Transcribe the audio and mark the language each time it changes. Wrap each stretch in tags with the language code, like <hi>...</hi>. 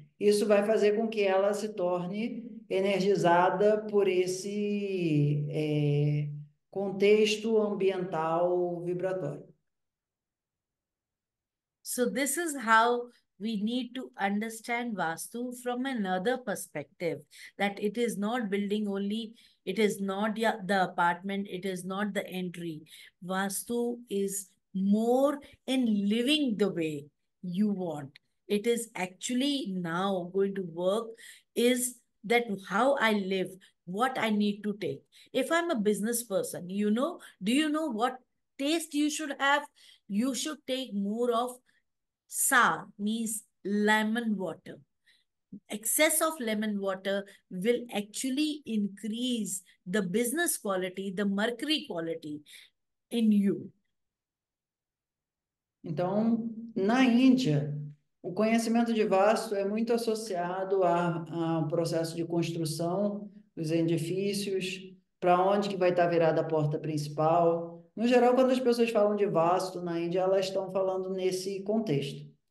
<pt>Isso vai fazer com que ela se torne energizada por esse contexto ambiental vibratório.</pt> <en>So this is how we need to understand Vastu from another perspective, that it is not building only, it is not the apartment, it is not the entry. Vastu is more in living the way you want. It is actually now going to work is that how I live, what I need to take. If I'm a business person, you know, do you know what taste you should have? You should take more of sa, means lemon water. Excess of lemon water will actually increase the business quality, the mercury quality in you.</en> <pt>Então, na Índia, o conhecimento de vasto é muito associado ao processo de construção dos edifícios, para onde que vai estar virada a porta principal. No geral, quando as pessoas falam de vasto na Índia, elas estão falando nesse contexto.</pt>